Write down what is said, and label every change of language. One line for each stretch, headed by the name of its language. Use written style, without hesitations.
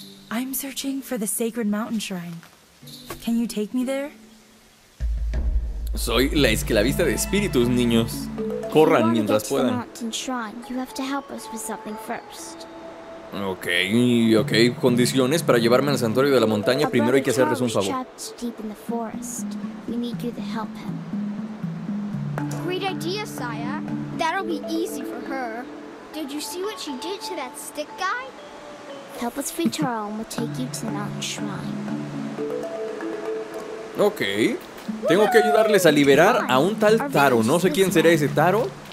English: I'm searching for the sacred mountain shrine. Can you take me there?
Spanish: Soy la esclavista de espíritus, niños. Corran mientras puedan.
English: If you want to get to the mountain shrine, you have to help us with something first. Okay.
Spanish: Condiciones para llevarme al santuario de la montaña. Primero hay que hacerles un favor.
English: Deep in the forest. We need you to help him. Great idea, Saya. That'll be easy for her. Did you see what she did to that stick guy? Help us free Charles and we'll take you to the mountain shrine. Okay.
Spanish: Tengo que ayudarles a liberar a un tal Taro. No sé quién será ese Taro.